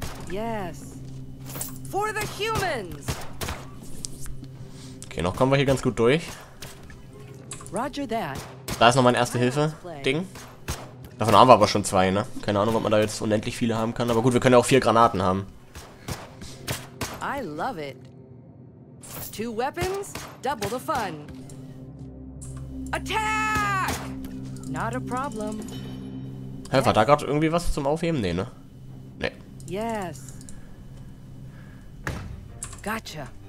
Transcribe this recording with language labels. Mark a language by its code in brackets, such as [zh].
[en] Yes. For the humans. [de] Okay, noch kommen wir hier ganz gut durch. [en] Roger that. [de] Da ist noch mein Erste-Hilfe-Ding. Davon haben wir aber schon zwei, ne? Keine Ahnung, ob man da jetzt unendlich viele haben kann. Aber gut, wir können ja auch vier Granaten haben. [en] I love it. Two weapons, double the fun. Attack! Not a problem. [de] Hä, war da gerade irgendwie was zum Aufheben? Nee, ne? Nee. [en] Yes. Gotcha.